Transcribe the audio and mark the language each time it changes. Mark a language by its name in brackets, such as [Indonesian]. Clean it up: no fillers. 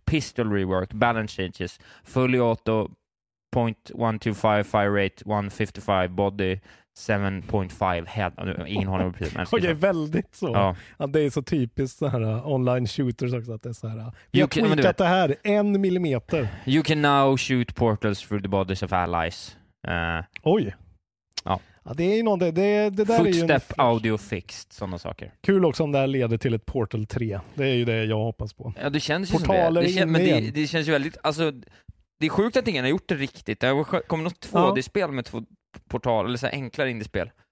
[English] Pistol rework, balance changes, fully auto, 0.125 fire rate, 155 body, 7.5 head. [Swedish] Ingen håller på precis. Okej, väldigt så. Ja. Att det är så typiskt så här online shooters också. Att det är så här. Jag har tweakat det här en millimeter. [English] You can now shoot portals through the bodies of allies. [Swedish] Oj. Ja. Ja, det är ju någon, det där [English] footstep [Swedish] är ju [English] footstep audio fixed, [Swedish] sådana saker. Kul också om det här leder till ett Portal 3. Det är ju det jag hoppas på. Ja, det känns ju portaler som det. Det känns ju väldigt... Alltså, det är sjukt att ingen har gjort det riktigt. Det kommer något 2D-spel med två portal eller så enklare indie-spel.